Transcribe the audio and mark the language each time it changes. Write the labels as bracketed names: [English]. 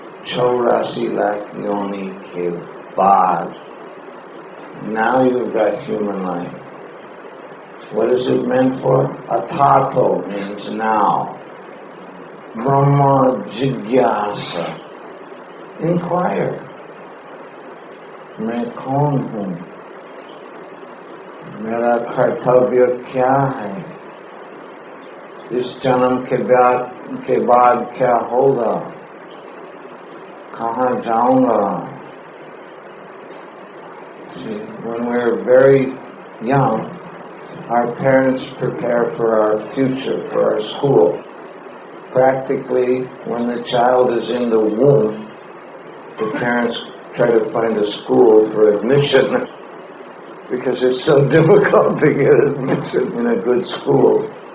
[Hindi] Chaurasi lak yoni ke baad. [English] Now you've got human life. What is it meant for? Atato means now. [Sanskrit] Brahma jigyasa. [English] Inquire. [Hindi] मैं कौन हूँ? मेरा कर्तव्य क्या है? इस जनम के बाद क्या होगा? कहाँ जाऊँगा? [English] See, when we're very young, our parents prepare for our future, for our school. Practically, when the child is in the womb, the parents try to find a school for admission because it's so difficult to get admission in a good school.